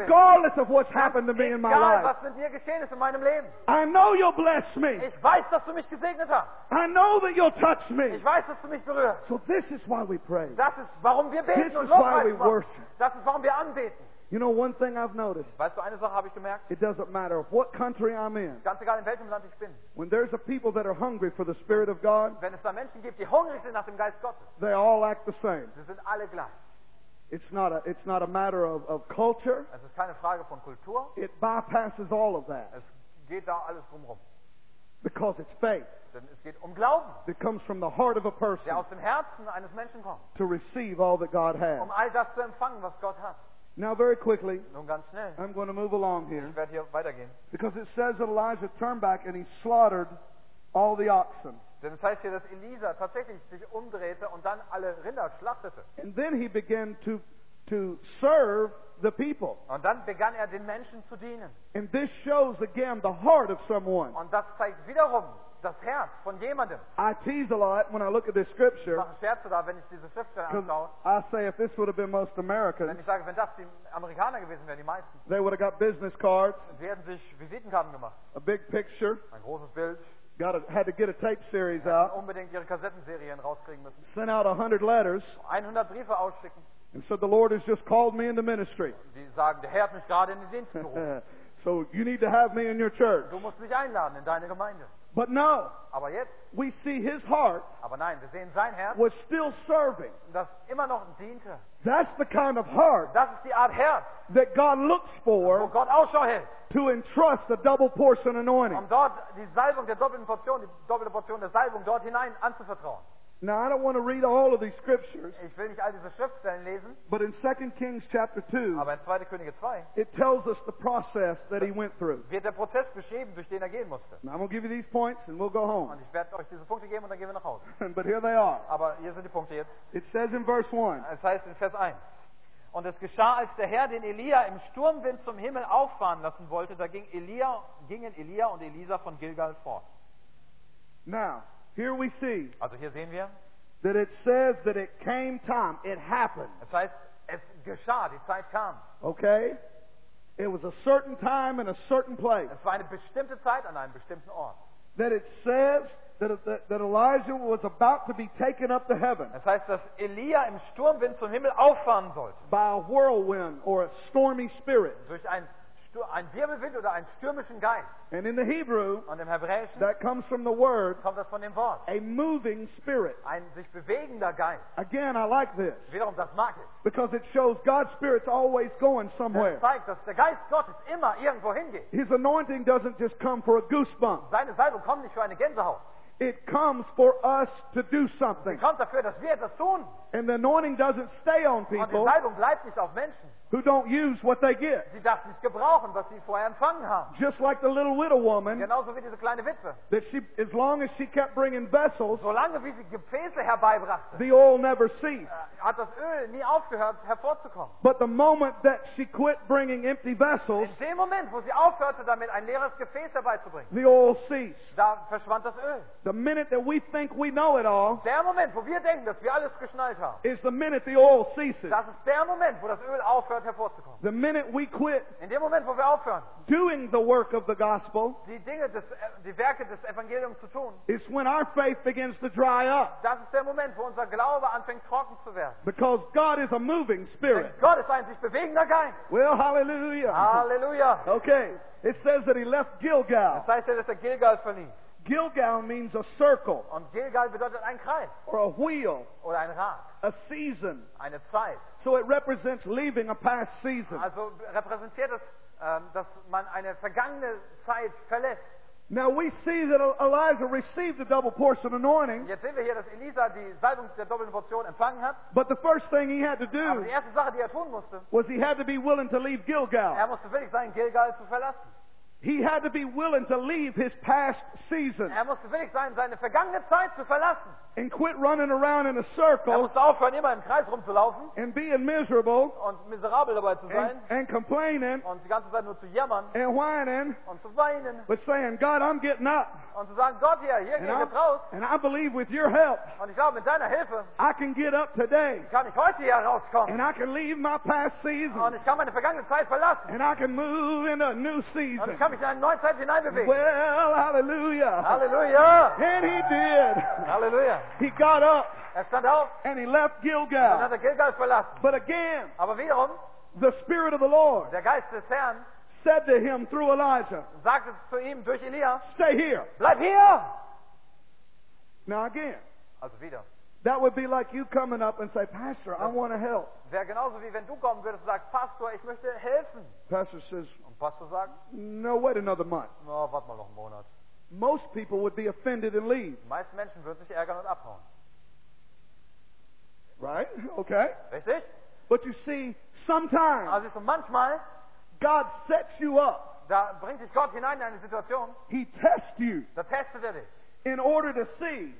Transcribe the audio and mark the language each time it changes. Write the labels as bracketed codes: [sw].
[en] Regardless of what's happened to me in my life. [de] Egal, was mit mir geschehen ist in meinem Leben. [en] I know you'll bless me. [de] Ich weiß, dass du mich gesegnet hast. [en] I know that you'll touch me. [de] Ich weiß, dass du mich berührst. [en] So this is why we pray. [de] Das ist, warum wir beten. [en] This is why we worship. [de] Das ist, warum wir anbeten. [en] You know one thing I've noticed. [de] Weißt du, eine Sache habe ich gemerkt? [en] It doesn't matter what country I'm in. [de] Ganz egal, in welchem Land ich bin. [en] When there's a people that are hungry for the Spirit of God, [de] wenn es da Menschen gibt, die hungrig sind nach dem Geist Gottes, [en] they all act the same. [de] Sie sind alle gleich. [en] It's not a matter of culture. [de] Es ist keine Frage von Kultur. [en] It bypasses all of that. [de] Es geht da alles drumherum. [en] Because it's faith. [de] Denn es geht um Glauben. [en] It comes from the heart of a person. [de] Der aus dem Herzen eines Menschen kommt. [en] To receive all that God has. [de] Um all das zu empfangen, was Gott hat. [en] Now very quickly. [de] Nun ganz schnell. [en] I'm going to move along here. [de] Ich werde hier weitergehen. [en] Because it says that Elijah turned back and he slaughtered all the oxen. [de] Denn es heißt hier, dass Elisa tatsächlich sich umdrehte und dann alle Rinder schlachtete. [en] And then he began to serve the people. [de] Und dann begann er, den Menschen zu dienen. [en] And this shows again the heart of someone. [de] Und das zeigt wiederum das Herz von jemandem. [en] I tease a lot when I look at this scripture. [de] Ich mache Scherze da, wenn ich diese Schriftstelle anschaue. [en] I say if this would have been most Americans, [de] wenn ich sage, wenn das die Amerikaner gewesen wären, die meisten, [en] they would have got business cards. [de] Sie hätten sich Visitenkarten gemacht. [en] A big picture. [de] Ein großes Bild. [en] Had to get a tape series out. [de] Sie hätten unbedingt ihre Kassettenserien rauskriegen müssen. [en] Send out 100 letters. [de] 100 Briefe ausschicken. [en] And so the Lord has just called me into ministry. [de] Die sagen, der Herr hat mich gerade in den Dienst gerufen. [en] So you need to have me in your church. [de] Du musst mich einladen in deine Gemeinde. [en] But no. [de] Aber jetzt, [en] we see his heart. [de] Aber nein, wir sehen sein Herz, [en] was still serving. [de] Das immer noch diente. [en] That's the kind of heart. [de] Das ist die Art Herz, [en] that God looks for. [de] Wo Gott Ausschau hält, [en] to entrust the double portion anointing. [de] Um dort die Salbung der doppelten Portion, die doppelte Portion der Salbung dort hinein anzuvertrauen. [en] Now I don't want to read all of these scriptures. [de] Ich will nicht all diese Schriftstellen lesen. [en] But in 2 Kings chapter 2. [de] Aber in 2. Könige 2. [en] It tells us the process that he went through. [de] Wird der Prozess beschrieben, durch den gehen musste. [en] Now I'm going to give you these points and we'll go home. [de] Und ich werde euch diese Punkte geben und dann gehen wir nach Hause. [en] But here they are. [de] Aber hier sind die Punkte jetzt. [en] It says in verse 1. [de] Es heißt in Vers 1. Und es geschah, als der Herr den Elia im Sturmwind zum Himmel auffahren lassen wollte, da gingen Elia und Elisa von Gilgal fort. [en] Now, here we see, [de] also hier sehen wir, [en] that it says that it came time, it happened. [de] Das heißt, es geschah, die Zeit kam. [en] Okay? It was a certain time in a certain place. [de] Es war eine bestimmte Zeit an einem bestimmten Ort. [en] That it says that Elijah was about to be taken up to heaven. [de] Das heißt, dass Elia im Sturmwind zum Himmel auffahren sollte. [en] By a whirlwind or a stormy spirit. [de] Durch ein Wirbelwind oder einen stürmischen Geist. [en] And in the Hebrew, [de] und im Hebräischen, [en] that comes from the word, [de] kommt das von dem Wort, [en] a moving spirit. [de] Ein sich bewegender Geist. [en] Again, I like this. [de] Wiederum, das mag ich. [en] Because it shows God's Spirit's always going somewhere. [de] Das zeigt, dass der Geist Gottes immer irgendwo hingeht. [en] His anointing doesn't just come for a goosebump. [de] Seine Salbung kommt nicht für eine Gänsehaut. [en] It comes for us to do something. [de] Sie kommt dafür, dass wir etwas tun. [en] And the anointing doesn't stay on people. [de] Und die Salbung bleibt nicht auf Menschen. [en] Who don't use what they get. [de] Sie darf nicht gebrauchen, was sie vorher empfangen haben. [en] Just like the little widow woman. [de] Genauso wie diese kleine Witwe. [en] That she, as long as she kept bringing vessels. [de] Solange wie sie Gefäße herbeibrachte. [en] The oil never ceased. [de] Hat das Öl nie aufgehört hervorzukommen. [en] But the moment that she quit bringing empty vessels. [de] In dem Moment, wo sie aufhörte damit, ein leeres Gefäß herbeizubringen. [en] The oil ceased. [de] Da verschwand das Öl. [en] The minute that we think we know it all. [de] Der Moment, wo wir denken, dass wir alles geschnallt haben. [en] Is the minute the oil ceases. [de] Das ist der Moment, wo das Öl aufhört. [en] The minute we quit, [de] in dem Moment, wo wir aufhören, [en] doing the work of the gospel, [de] die Werke des Evangeliums zu tun, [en] is when our faith begins to dry up. [de] Das ist der Moment, wo unser Glaube anfängt trocken zu werden. [en] Because God is a moving spirit. [de] Denn Gott ist ein sich bewegender Geist. [en] Well, hallelujah. [de] Hallelujah. [en] Okay. It says that he left Gilgal. [de] Das heißt, dass er Gilgal verließ. [en] Gilgal means a circle. [de] Und Gilgal bedeutet ein Kreis. [en] Or a wheel. [de] Oder ein Rad. [en] A season. [de] Eine Zeit. [en] So it represents leaving a past season. [de] Also repräsentiert es, dass man eine vergangene Zeit verlässt. [en] Now we see that Elijah received the double portion anointing. [de] Jetzt sehen wir hier, dass Elisa die Salbung der doppelten Portion empfangen hat. [en] But the first thing he had to do, [de] aber die erste Sache, die tun musste, [en] was he had to be willing to leave Gilgal. [de] Er musste willig sein, Gilgal zu verlassen. [en] He had to be willing to leave his past season. [de] Er musste willig sein, seine vergangene Zeit zu verlassen. [en] And quit running around in a circle. [de] Er musste aufhören, immer im Kreis rumzulaufen. [en] And being miserable. [de] Und miserabel dabei zu sein. [en] And complaining. [de] Und die ganze Zeit nur zu jammern. [en] And whining. [de] Und zu weinen. [en] But saying, God, I'm getting up. [de] Und zu sagen, Gott, hier geht es raus. [en] And I believe with your help. [de] Und ich glaube, mit deiner Hilfe. [en] I can get up today. [de] Kann ich heute hier rauskommen. [en] And I can leave my past season. [de] Und ich kann meine vergangene Zeit verlassen. [en] And I can move in a new season. [de] Und ich kann mich in eine neue Zeit hineinbewegen. [en] Well, hallelujah. [de] Hallelujah. [en] And he did. [de] Hallelujah. [en] He got up. [de] Er stand auf. [en] And he left Gilgal. [de] Und hat er Gilgal verlassen. [en] But again. [de] Aber wiederum. [en] The Spirit of the Lord. [de] Der Geist des Herrn. [en] Said to him through Elijah. [de] Sagte zu ihm durch Elia. [en] Stay here. [de] Bleib hier. [en] Now again. [de] Also wieder. [en] That would be like you coming up and say, Pastor, I want to help. [de] Wäre genauso wie wenn du kommen würdest und sagst, Pastor, ich möchte helfen. [en] Pastor says. [de] Und Pastor sagt. [en] No, wait another month. [de] Oh, warte mal noch einen Monat. [en] Most people would be offended and leave. [de] Meist Menschen würden sich ärgern und abhauen. [en] Right? Okay. [de] Richtig? [en] But you see, sometimes. [de] Also so manchmal. [en] God sets you up. [de] Da bringt dich Gott hinein in eine Situation. [en] He tests you. [de] Da testet er dich. [en] In order to see,